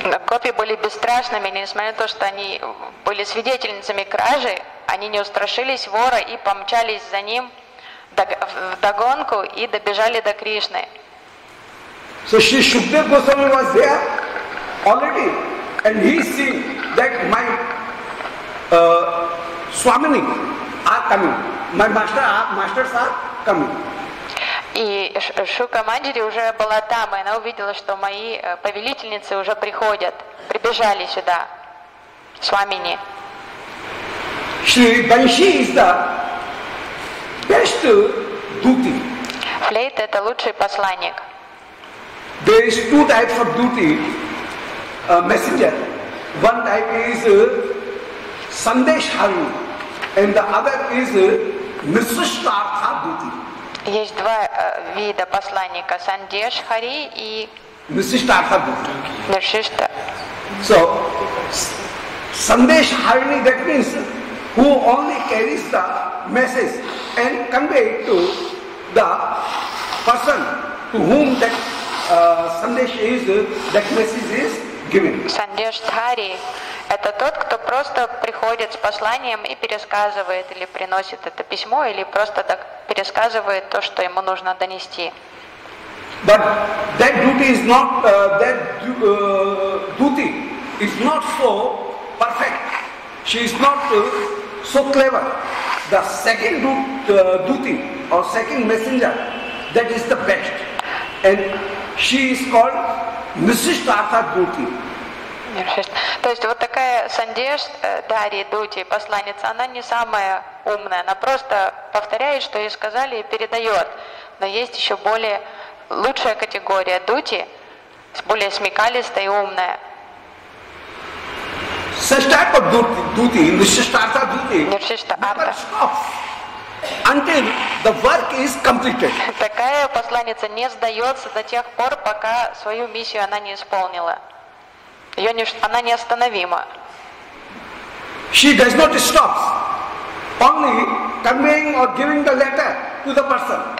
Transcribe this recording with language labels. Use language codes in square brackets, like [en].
[ru] Гопи были бесстрашными, несмотря на то, что они были свидетельницами кражи, они не устрашились вора и помчались за ним в догонку и добежали до Кришны. [en] So Shri Shukdev Goswami was there already, and he seen that my swamini are coming, my masters are coming. [ru] И Шука Манджири уже была там, и она увидела, что мои повелительницы уже приходят, прибежали сюда, свамини. [en] Шри Банши is the best duty. [ru] Флейта — это лучший посланник. [en] There is two types of duty, messenger. One type is Sandeshari, and the other is Nisushtartha duty. [ru] Есть два вида посланника: Сандеш Хари и Нисиштарта Бхути. [en] So Сандеш Харини, that means who only carries the message and convey to the person to whom that Сандеш is, that message is given. [ru] Сандеш Хари — это тот, кто просто приходит с посланием и пересказывает или приносит это письмо, или просто так пересказывает то, что ему нужно донести. [en] But that duty is not that duty is not so perfect. She is not so clever. The second duty or second messenger, that is the best. And she is called Mrs. Tartha Duty. [ru] То есть вот такая Сандеш Дари Дути, посланница, она не самая умная, она просто повторяет, что ей сказали, и передает. Но есть еще более лучшая категория Дути, более смекалистая и умная. Сэштапа Дути, Нишиштарта Дути, Нишиштарта. [en] Until the work is completed. [ru] Такая посланница не сдается до тех пор, пока свою миссию она не исполнила. Она неостановима. [en] She does not stop, only conveying or giving the letter to the person.